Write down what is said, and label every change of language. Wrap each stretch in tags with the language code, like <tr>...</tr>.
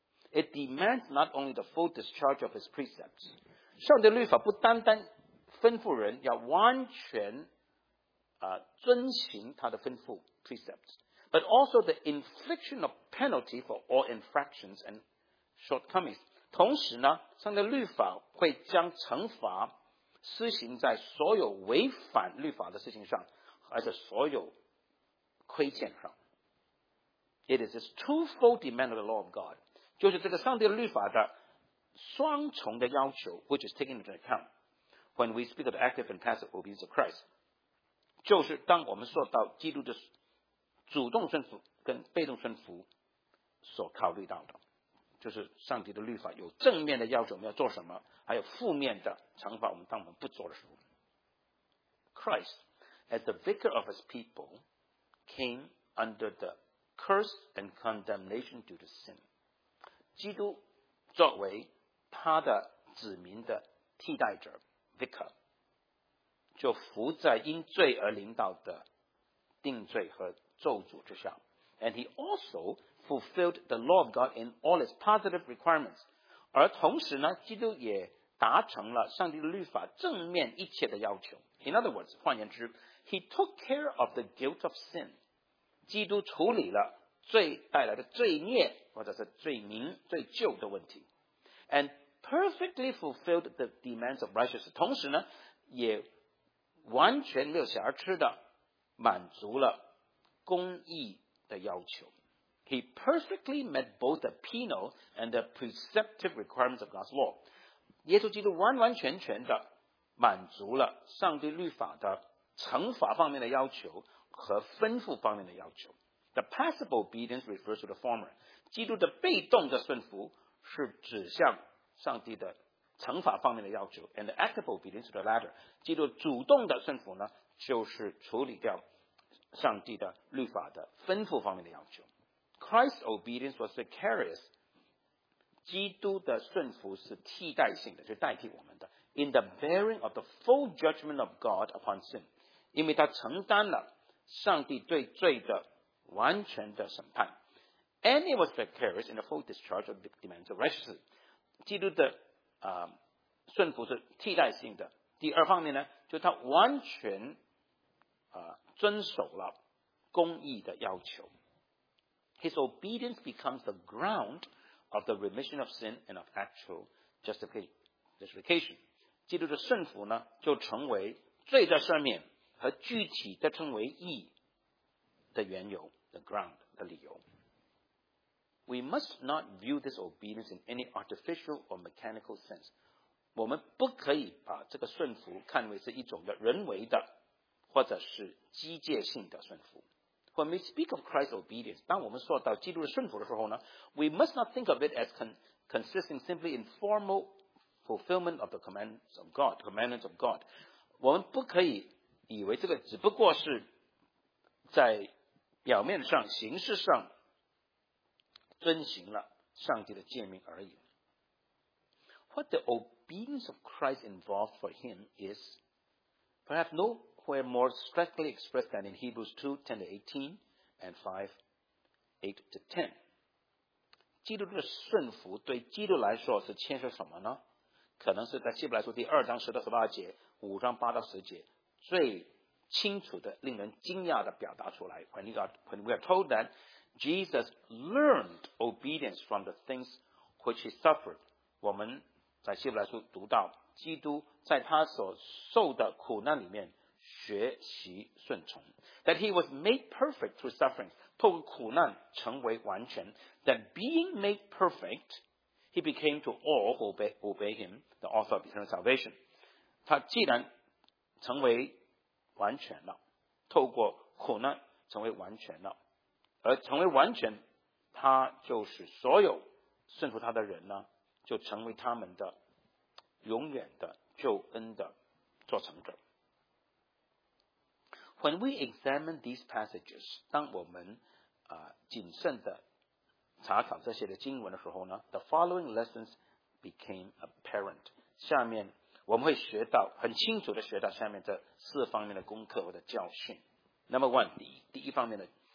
<en>It demands not only the full discharge of his precepts，</en> <zh>上帝律法不单单吩咐人要完全遵行他的吩咐</zh> <en>precepts， but also the infliction of penalty for all infractions and shortcomings，</en> <zh>同时呢上帝律法会将惩罚施行在所有违反律法的事情上，而且所有亏欠上。</zh> <en>It is this twofold demand of the law of God，</en> <zh>就是这个上帝的律法的双重的要求，</zh> <en>which is taken into account when we speak of active and passive obedience of Christ，</en> <zh>就是当我们说到基督的主动顺服跟被动顺服所考虑到的，就是上帝的律法有正面的要求我们要做什么，还有负面的惩罚我们当我们不做的时候。</zh> <en>Christ as the vicar of his people came under the curse and condemnation due to sin，</en> <zh>基督作为他的子民的替代者 vicar 就伏在因罪而临到的定罪和咒诅之下。</zh> <en>And he also fulfilled the law of God in all its positive requirements，</en> <zh>而同时呢，基督也达成了上帝的律法正面一切的要求。</zh> <en>In other words，</en> <zh>换言之，</zh> <en>he took care of the guilt of sin，</en> <zh>基督处理了罪带来的罪孽或者是罪名罪疚的问题。</zh> <en>And perfectly fulfilled the demands of righteousness，</en> <zh>同时呢，也完全没有瑕疵的满足了公义的要求。</zh> <en>He perfectly met both the penal and the preceptive requirements of God's law，</en> <zh>耶稣基督完完全全的满足了上帝律法的惩罚方面的要求和吩咐方面的要求。</zh> <en>The passive obedience refers to the former，</en> <zh>基督的被动的顺服是指向上帝的惩罚方面的要求。</zh> <en>And the active obedience to the latter，</en> <zh>基督主动的顺服呢，就是处理掉上帝的律法的吩咐方面的要求。</zh> <en>Christ's obedience was vicarious，</en> <zh>基督的顺服是替代性的，是代替我们的。</zh> <en>In the bearing of the full judgment of God upon sin，</en> <zh>因为他承担了上帝对罪的完全的审判。</zh> <en>And it was vicarious in the full discharge of the demands of righteousness，</en> <zh>基督的顺服是替代性的。第二方面呢，就他完全遵守了公义的要求。</zh> <en>His obedience becomes the ground of the remission of sin and of actual justification，</en> <zh>基督的顺服呢，就成为罪的赦免和具体的称为义的缘由，</zh> <en>the ground</en> <zh>的理由。</zh> <en>We must not view this obedience in any artificial or mechanical sense，</en> <zh>我们不可以把这个顺服看为是一种的人为的或者是机械性的顺服。</zh> <en>When we speak of Christ's obedience，</en> <zh>当我们说到基督的顺服的时候呢，</zh> <en>We must not think of it as consisting simply in formal fulfillment of the commands of God， commandments of God，</en> <zh>我们不可以以为这个只不过是在表面上形式上遵行了上帝的诫命而已。</zh> <en>What the obedience of Christ involved for him is perhaps nowhere more strictly expressed than in Hebrews 2:10-18 and 5:8-10。</en> <zh>基督的顺服对基督来说是牵涉什么呢？可能是在希伯来书第二章10-18节、5章8-10节最清楚的令人惊讶的表达出来。</zh> <en>When we are told that Jesus learned obedience from the things which he suffered，</en> <zh>我们在希伯来书读到基督在他所受的苦难里面学习顺从。</zh> <en>That he was made perfect through suffering，</en> <zh>透过苦难成为完全。</zh> <en>That being made perfect， he became to all who obey him the author of eternal salvation，</en> <zh>他既然成为完全了，透过苦难成为完全了，而成为完全，他就是所有顺服他的人呢，就成为他们的永远的救恩的作成者。</zh> <en>When we examine these passages，</en> <zh>当我们谨慎的查考这些的经文的时候呢</zh> <en>，the following lessons became apparent。</en> <zh>下面我们会学到很清楚的学到下面这四方面的功课或者教训。</zh> <en>Number one，</en> <zh>第一方面的。</zh>